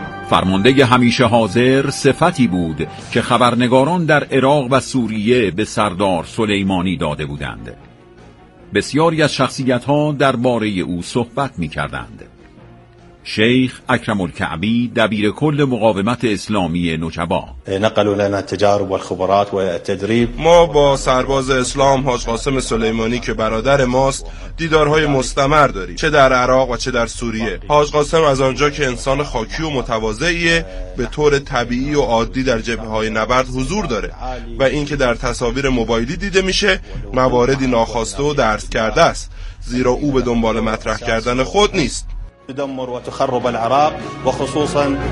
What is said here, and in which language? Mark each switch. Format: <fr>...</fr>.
<fa>فرمانده همیشه حاضر صفتی بود که خبرنگاران در عراق و سوریه به سردار سلیمانی داده بودند. بسیاری از شخصیت‌ها درباره او صحبت می‌کردند. شیخ اکرم الکعبی، دبیر کل مقاومت اسلامی نجبا:</fa> <ar>نقلوا لنا التجارب والخبرات والتدريب.</ar> <fa>ما با سرباز اسلام حاج قاسم سلیمانی که برادر ماست دیدارهای مستمر داریم، چه در عراق و چه در سوریه. حاج قاسم از آنجا که انسان خاکی و متواضعیه، به طور طبیعی و عادی در جبهه‌های نبرد حضور داره و اینکه در تصاویر موبایلی دیده میشه مواردی ناخواسته و درس کرده است، زیرا او به دنبال مطرح کردن خود نیست.</fa> <ar>تدمر وتخرب العراق وخصوصا.</ar>